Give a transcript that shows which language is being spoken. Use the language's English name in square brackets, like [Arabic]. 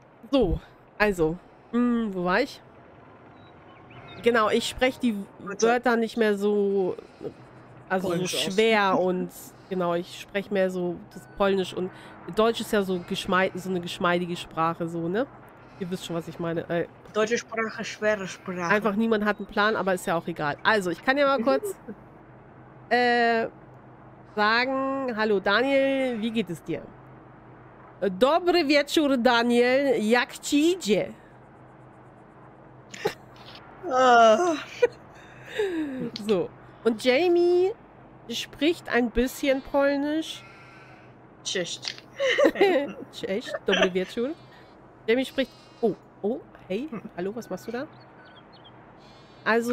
[German] So, also. Wo war ich? Genau, ich spreche die Wörter nicht mehr so, also so schwer und genau, ich spreche mehr so das Polnisch und Deutsch ist ja so so eine geschmeidige Sprache, so, ne? Ihr wisst schon, was ich meine. Deutsche Sprache, schwere Sprache. Einfach niemand hat einen Plan, aber ist ja auch egal. Also, ich kann ja mal kurz sagen, hallo Daniel, wie geht es dir? [Polish] Dobry wieczór, Daniel, jak ci idzie? [German] So, und Jamie spricht ein bisschen Polnisch. [Polish] Cześć. Cześć, dobry wieczór. [German] Jamie spricht... Hey, hallo, was machst du da? Also...